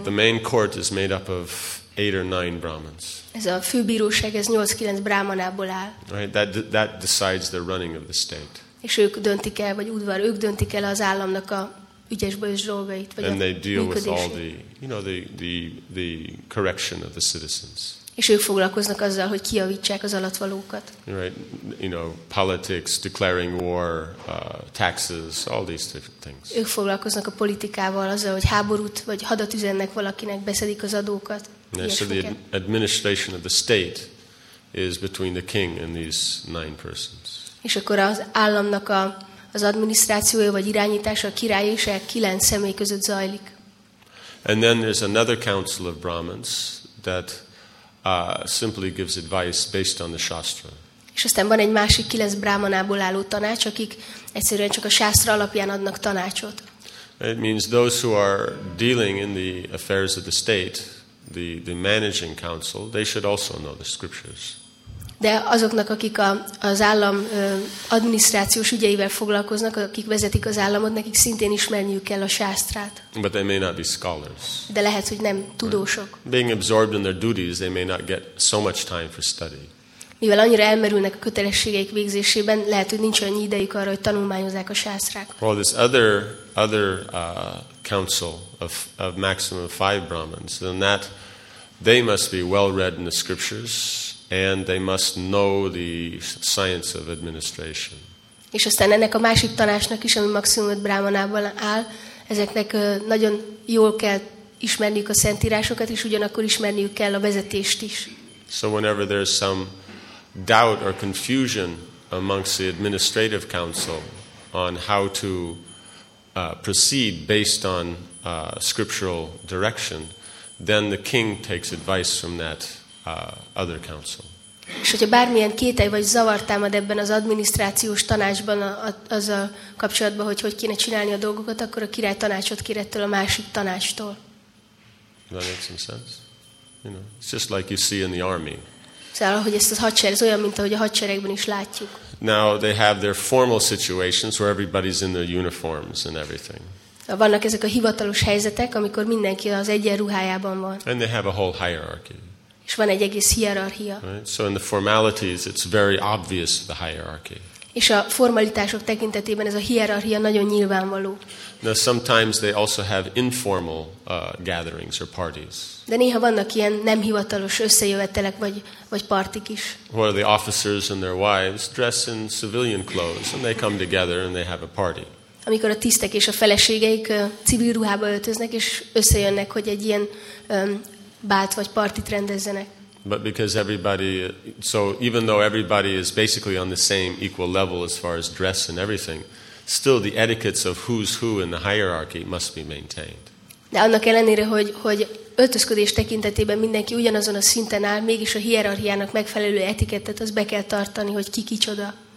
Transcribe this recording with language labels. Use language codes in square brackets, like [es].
[en] The main court is made up of 8 or 9 Brahmins. [hu] Ez a főbíróság, ez 8-9 brahmanából áll. [en] Right, that decides the running of the state. [hu] És ők döntik el, vagy udvar, ők döntik el az államnak a ügyes-bajos dolgait, vagy [en] and a they deal with all the, you know, the correction of the citizens. [hu] És ők foglalkoznak azzal, hogy kijavítsák az alattvalókat. [en] Right, you know, politics, declaring war, taxes, all these different things. [hu] Ők foglalkoznak a politikával azzal, hogy háborút vagy hadat üzennek valakinek, beszedik az adókat. [en] Yeah, so the administration of the state is between the king and these 9 persons. [hu] És akkor az államnak az adminisztrációja vagy irányítása a király és a 9 személy között zajlik. [en] And then there's another council of Brahmins that simply gives advice based on the shastra. [hu] És aztán van egy másik 9 brahmanából álló tanács, akik egyszerűen csak a shastra alapján adnak tanácsot. [en] It means those who are dealing in the affairs of the state, the managing council, they should also know the scriptures. [hu] De azoknak, akik az állam adminisztrációs ügyeivel foglalkoznak, akik vezetik az államot, nekik szintén ismerniük kell a sástrát. [en] But they may not be scholars. [hu] De lehet, hogy nem tudósok. [en] Being absorbed in their duties, they may not get so much time for study. [hu] Mivel annyira elmerülnek a kötelességeik végzésében, lehet, hogy nincs annyi idejük arra, hogy tanulmányozzák a sástrát. [en] Well, this other council of maximum five brahmins, then that they must be well read in the scriptures. And they must know the science of administration. [hu] És aztán ennek a másik tanácsnak is, ami maximum 5 brámanában áll, ezeknek nagyon jól kell ismerniük a szentírásokat, és ugyanakkor ismerniük kell a vezetést is. [en] So whenever there's some doubt or confusion amongst the administrative council on how to proceed based on scriptural direction, then the king takes advice from that. Other council. [hu] És hogyha bármilyen kételj vagy zavar támad ebben az adminisztrációs tanácsban azzal kapcsolatban, hogy hogy kéne csinálni a dolgokat, akkor a király tanácsot kérettől a másik tanácstól. [en] That makes some sense. You know, it's just like you see in the army. [hu] Szóval, hogy ezt a hadsereg, ez olyan, mint ahogy a hadseregben is látjuk. [en] Now they have their formal situations where everybody's in their uniforms and everything. [hu] Vannak ezek a hivatalos helyzetek, amikor mindenki az egyenruhájában van. [en] And they have a whole hierarchy. [hu] És van egy egész hierarchia. [en] Right? So in the formalities, it's very obvious the hierarchy. [hu] És a formalitások tekintetében ez a hierarchia nagyon nyilvánvaló. [en] Now sometimes they also have informal gatherings or parties. [hu] De néha vannak ilyen nem hivatalos összejövetelek vagy partik is. [en] Where the officers and their wives dress in civilian clothes and they come together and they have a party. [hu] Amikor a tisztek és a feleségeik civil ruhába öltöznek és összejönnek, hogy egy ilyen bált vagy partit rendezzenek. [en] But because everybody, so even though everybody is basically on the same equal level as far as dress and everything, still the etiquettes of who's who in the hierarchy must be maintained. [hu] De annak ellenére, hogy öltözködés tekintetében mindenki ugyanazon a szinten áll, mégis a hierarchiának megfelelő etikettet az be kell tartani, hogy ki kicsoda.